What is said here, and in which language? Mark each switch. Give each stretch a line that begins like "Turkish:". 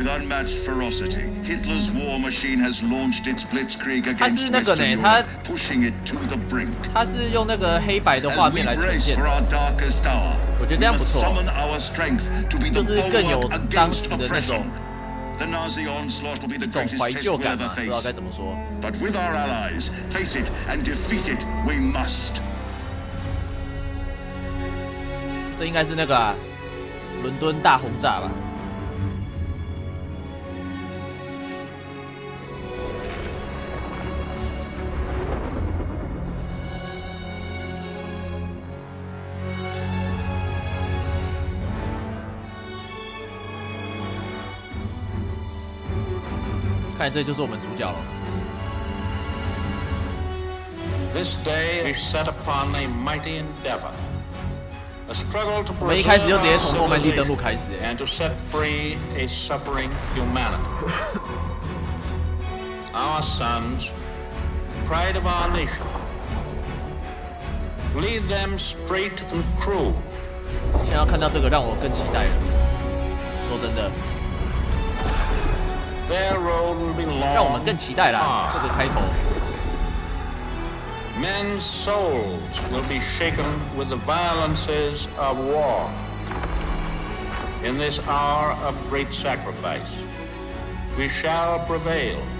English: With unmatched ferocity, Hitler's war machine has launched its blitzkrieg against.
Chinese: 他是那个呢？他是用那个黑白的画面来呈现的。我觉得这样不错，就是更有当时的那种。
English: The Nazi onslaught will be the greatest test we'll ever face.
Chinese: 不知道该怎么说。
English: But with our allies, face it and defeat it. We must.
Chinese: 这应该是那个、啊、伦敦大轰炸吧？看，这就是我们主角了。
English: This day we set upon a mighty endeavor, a struggle to preserve our civilization and to set free a suffering humanity. Our sons, pride of our nation, lead them straight and true.
Chinese: 现在看到这个，让我更期待了。说真的。让我们更期待了这个开头。
English: Men's souls will be shaken with the violences of war. In this hour of great sacrifice, we shall prevail.